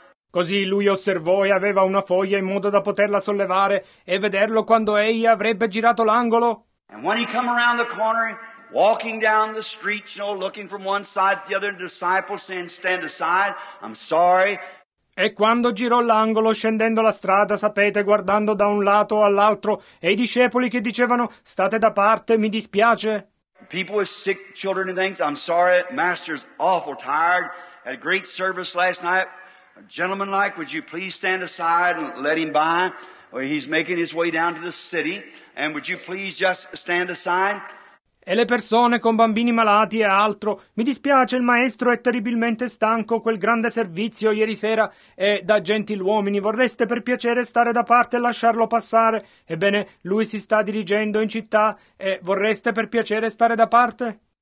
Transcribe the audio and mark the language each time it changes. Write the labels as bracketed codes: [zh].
[it] Così lui osservò e aveva una foglia in modo da poterla sollevare e vederlo quando egli avrebbe girato l'angolo. [en] And when he come around the corner, walking down the street, you know, looking from one side to the other, the disciples saying, stand aside, I'm sorry. [it] E quando girò l'angolo, scendendo la strada, sapete, guardando da un lato all'altro, e i discepoli che dicevano, state da parte, mi dispiace. [en] People with sick children and things, I'm sorry, master's awful tired. Had a great service last night. A gentleman like, would you please stand aside and let him by? Well, he's making his way down to the city, and would you please just stand aside? [it] E le persone con bambini malati e altro. Mi dispiace, il maestro è terribilmente stanco, quel grande servizio ieri sera è da gentiluomini. Vorreste per piacere stare da parte e lasciarlo passare? Ebbene, lui si sta dirigendo in città e vorreste per piacere stare da parte?